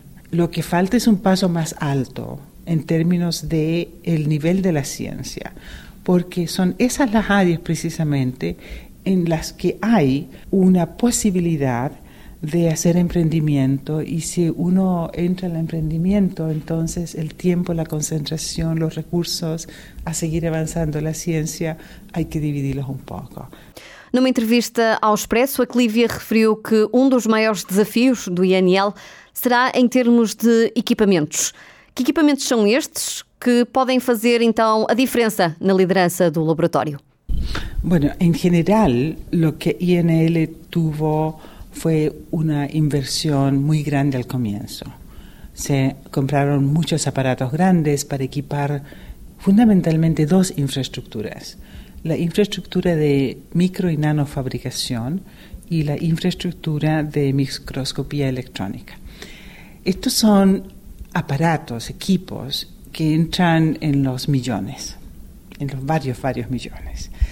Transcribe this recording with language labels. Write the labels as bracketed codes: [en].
[es] Lo que falta es un paso más alto en términos del nivel de la ciencia, porque son esas las áreas precisamente en las que hay una posibilidad de hacer emprendimiento, y si uno entra en el emprendimiento, entonces el tiempo, la concentración, los recursos a seguir avanzando la ciencia, hay que dividirlos un poco. [pt] Numa entrevista ao Expresso, a Clívia referiu que um dos maiores desafios do INL será em termos de equipamentos. Que equipamentos são estes que podem fazer, então, a diferença na liderança do laboratório? [es] Bueno, [pt] em geral, o que o INL teve foi uma inversão muito grande ao começo. Se compraram muitos aparatos grandes para equipar, fundamentalmente, duas infraestruturas. [es] La infraestructura de micro y nanofabricación y la infraestructura de microscopía electrónica. Estos son aparatos, equipos, que entran en los millones, en los varios millones.